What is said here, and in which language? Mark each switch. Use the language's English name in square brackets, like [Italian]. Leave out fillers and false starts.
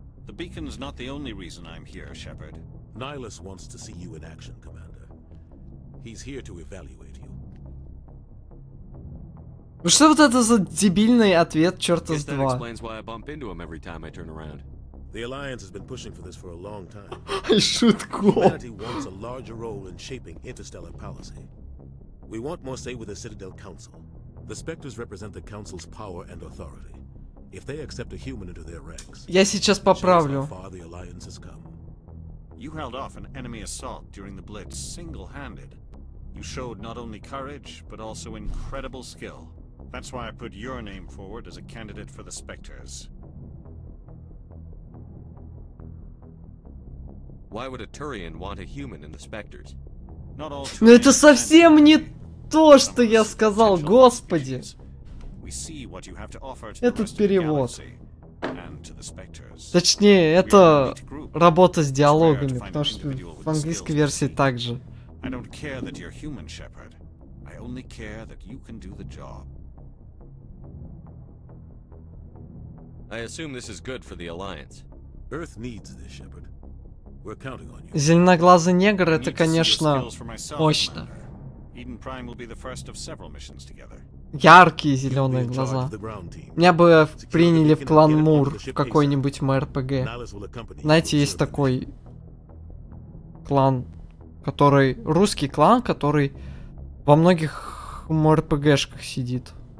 [English] The beacon's not the only reason I'm here, Shepard. Nihilus wants to see you in action, Commander. He's here to evaluate you. [Russian] Ну что вот это за дебильный ответ, черт с два? [English] That explains why I bump into him every time I turn around. The Alliance has been pushing for this for a long time. I should go. Humanity wants a larger role in shaping interstellar policy. We want more say with the Citadel Council. The Spectres represent the Council's power and authority. If they accept a human into their ranks, [Russian] я сейчас поправлю. [English] How far the Alliance has come. You held off an enemy assault during the Blitz single-handed. You showed not only courage, but also incredible skill. That's why I put your name forward as a candidate for the Spectres. Why would a Turian want a human in the Spectres? Not all Turians. [Russian] Но это совсем не то, что я сказал, господи. [English] We see what you have to offer to [Russian] этот перевод. [English] And to the Spectres. [Russian] Точнее, это работа с диалогами, потому что в английской версии также. [English] I don't care that you're human, Shepard. I only care that you can do the job. I assume this is good for the Alliance. Earth needs this, Shepard. We're counting on you. [Russian] Зеленоглазый негр, это, конечно, мощно. [English] Eden Prime will be the first of several missions together. [Russian] Яркие зеленые глаза. Меня бы приняли в клан Мур в какой-нибудь МРПГ. Знаете, есть такой клан, который русский клан, который во многих МРПГшках сидит.